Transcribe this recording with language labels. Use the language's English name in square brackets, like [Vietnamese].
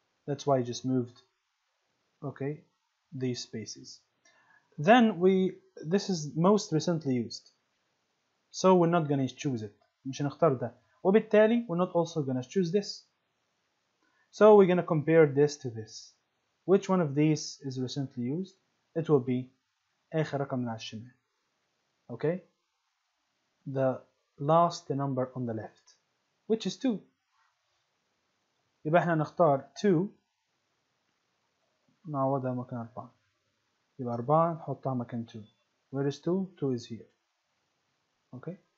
[English] That's why I just moved okay these spaces. Then we this is most recently used. So we're not gonna choose it. [Arabic] مش هنختار ده. [English] وبالتالي we're not also gonna choose this. So we're gonna compare this to this. Which one of these is recently used? It will be [Arabic] آخر رقم من على الشمال. [English] Okay? The last number on the left. Which is 2. [Arabic] يبقى احنا نختار 2 نعوضها مكان 4. يبقى 4 نحطها مكان 2. [English] Where is 2? 2 is here. Okay.